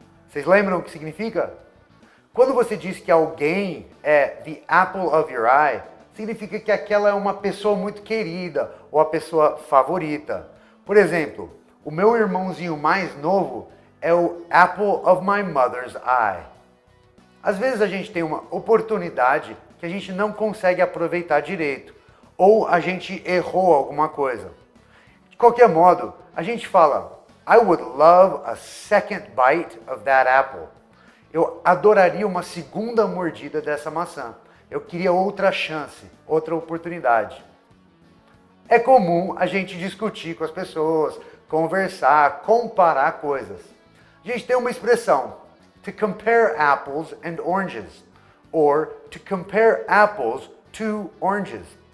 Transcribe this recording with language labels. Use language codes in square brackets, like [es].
[pt] Vocês lembram o que significa? Quando você diz que alguém é [en] the apple of your eye, [pt] significa que aquela é uma pessoa muito querida ou a pessoa favorita. Por exemplo, o meu irmãozinho mais novo é o [en] apple of my mother's eye. [pt] Às vezes a gente tem uma oportunidade que a gente não consegue aproveitar direito, ou a gente errou alguma coisa. De qualquer modo, a gente fala, [en] I would love a second bite of that apple. [pt] Eu adoraria uma segunda mordida dessa maçã. Eu queria outra chance, outra oportunidade. É comum a gente discutir com as pessoas, conversar, comparar coisas. A gente tem uma expressão, [en] to compare apples and oranges, or to compare apples to oranges.